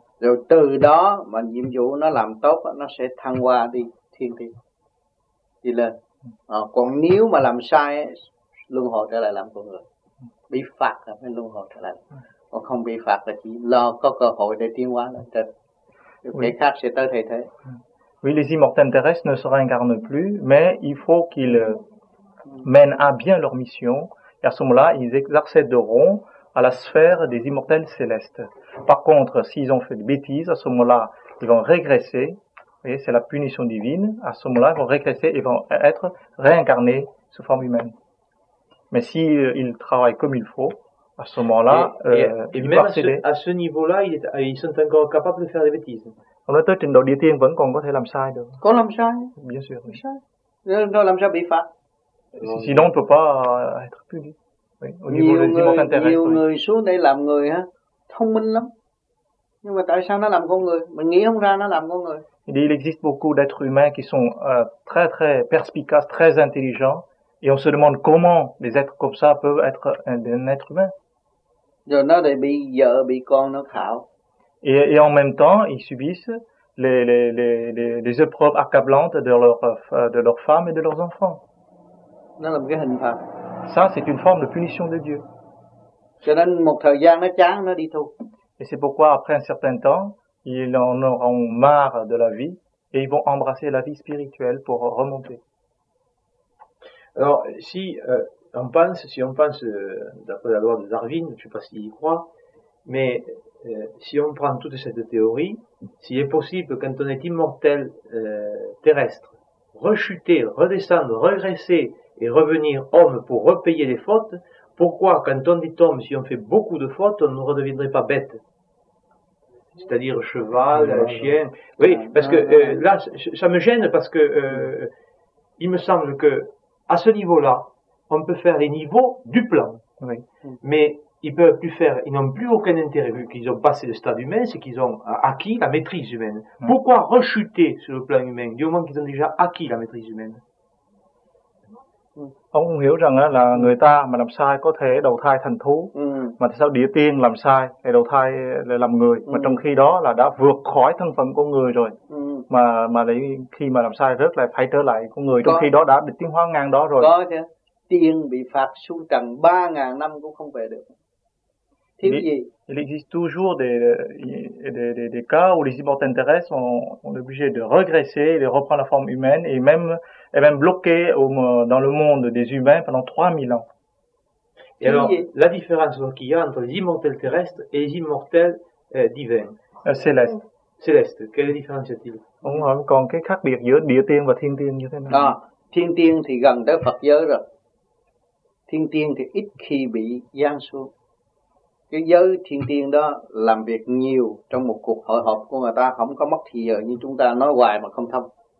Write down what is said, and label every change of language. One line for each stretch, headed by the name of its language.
Vietnamese: Rồi từ đó mà nhiệm vụ nó làm tốt, nó sẽ thăng hoa đi thiên tiên, đi lên. Còn nếu mà làm sai, luân hồi trở lại làm con người, bị phạt là phải luân hồi trở lại. Còn không bị phạt là chỉ lo có cơ hội để tiến hóa lên trên. Cái khác sẽ tới thay thế.
French: Oui, les immortels terrestres ne se réincarnent plus, mais il faut qu'ils mènent à bien leur mission. Et à ce moment-là, ils accéderont à la sphère des immortels célestes. Par contre, s'ils ont fait des bêtises, à ce moment-là, ils vont régresser. Vous voyez, c'est la punition divine. À ce moment-là, ils vont régresser et vont être réincarnés sous forme humaine. Mais s'ils travaillent comme il faut, à ce moment-là, et même à ce niveau-là, ils sont encore capables de faire des bêtises. On a peut-être une dodie
Vietnamese: tiên vẫn còn có thể làm sai được. Có làm sai?
French: Bien sûr. Oui.
Vietnamese: Sai. Làm sao bị phạt?
French: Sinon, on ne peut pas être puni. Oui. Au niveau des immortels terrestres.
Vietnamese: Nhiều người xuống đây làm người hả? Thông minh lắm. Nhưng mà tại sao nó làm con người? Mình nghĩ không ra nó làm con người.
French: Il existe beaucoup d'êtres humains qui sont très très perspicaces, très intelligents, et on se demande comment des êtres comme ça peuvent être un être humain.
Vietnamese: Rồi nó lại bị vợ bị con nó khảo.
French: Et en même temps, ils subissent les épreuves accablantes de leur femme et de leurs enfants.
Vietnamese: Nó là một cái hình phạt.
French: Ça, c'est une forme de punition de Dieu.
Vietnamese: Cho nên một thời gian nó chán, nó đi tu.
French: Et c'est pourquoi après un certain temps, ils en auront marre de la vie et ils vont embrasser la vie spirituelle pour remonter. Alors, si on pense d'après la loi de Darwin, je ne sais pas s'il y croit, mais si on prend toute cette théorie, s'il est possible, quand on est immortel terrestre, rechuter, redescendre, regresser et revenir homme pour repayer les fautes, pourquoi quand on dit homme, si on fait beaucoup de fautes, on ne redeviendrait pas bête? C'est-à-dire cheval, non, chien. Non. Oui, parce que là, ça me gêne parce que il me semble que à ce niveau-là, on peut faire les niveaux du plan. Oui. Mais ils peuvent plus faire, ils n'ont plus aucun intérêt vu qu'ils ont passé le stade humain, c'est qu'ils ont acquis la maîtrise humaine. Oui. Pourquoi rechuter sur le plan humain du moment qu'ils ont déjà acquis la maîtrise humaine?
Vietnamese: Ông không hiểu rằng là người ta mà làm sai có thể đầu thai thành thú, mà tại sao đĩa tiên làm sai lại đầu thai lại làm người, mà trong khi đó là đã vượt khỏi thân phận của người rồi, mà lại khi mà làm sai rớt lại phải trở lại con người, trong khi đó đã được tiến hóa ngang đó rồi. Có chứ, tiên bị phạt xuống trần 3.000 năm cũng không về được.
French: Il existe toujours des cas où les cyborgs d'intérêt sont obligés de regresser, de reprendre la forme humaine et même bloqués dans le monde des humains pendant 3000 ans. Et alors, la différence qu'il y a entre les immortels terrestres et les immortels divins célestes, quelle différence y a-t-il? On a encore
Vietnamese: cái khác biệt giữa địa tiên và thiên tiên như thế nào? Thiên tiên thì gần tới Phật giới rồi. Thiên tiên thì ít khi bị giáng xuống. Cái giới thiên tiên đó làm việc nhiều trong một cuộc hội họp của người ta, không có mất thì giờ như chúng ta nói hoài mà không thông.